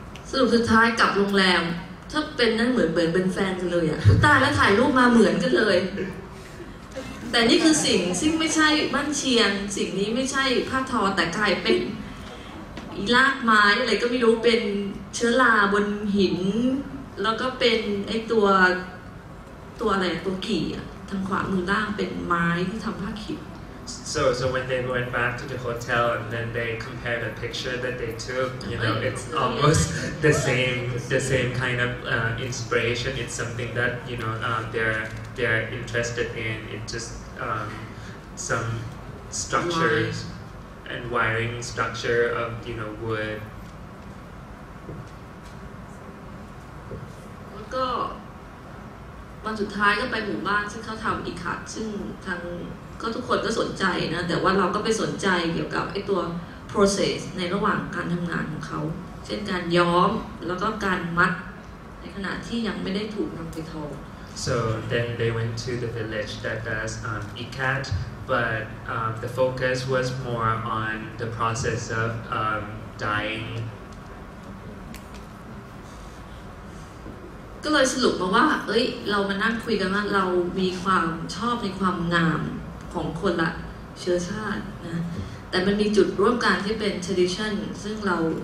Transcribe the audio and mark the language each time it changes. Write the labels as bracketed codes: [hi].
[th] สรุปสุดท้ายกลับโรงแรมถ้าเป็นนั่นเหมือนเป็นแฟนกันเลยอ่ะตายแล้วถ่ายรูปมาเหมือนกันเลยแต่นี่คือสิ่งซึ่งไม่ใช่บ้านเชียงสิ่งนี้ไม่ใช่ผ้าทอแต่กลายเป็นรากไม้อะไรก็ไม่รู้เป็นเชื้อราบนหินแล้วก็เป็นไอตัวอะไรตัวขี่ทางขวามือล่างเป็นไม้ที่ทำผ้าขี่ [en] so when they went back to the hotel and then they compared the picture that they took you know it's almost the same kind of inspiration it's something that you know they're interested in it's just some structuresand wiring structure of you know wood [th] แล้วก็วันสุดท้ายก็ไปหมู่บ้านซึ่งเขาทำอีกค่ะซึ่งทางก็ทุกคนก็สนใจนะแต่ว่าเราก็ไปสนใจเกี่ยวกับไอ้ตัว process ในระหว่างการทำงานของเขาเช่นการย้อมแล้วก็การมัดในขณะที่ยังไม่ได้ถูกนำไปท [en] อ so then they went to the village that does ikatBut the focus was more on the process of dyeing. [th] ก็เลยสรุปมาว่าเอ้ยเรามานั่งคุยกันว่าเรามีความชอบในความงามของคนละเชื้อชาตินะแต่มันมีจุดร่วมกันที่เป็น tradition ซึ่งเรา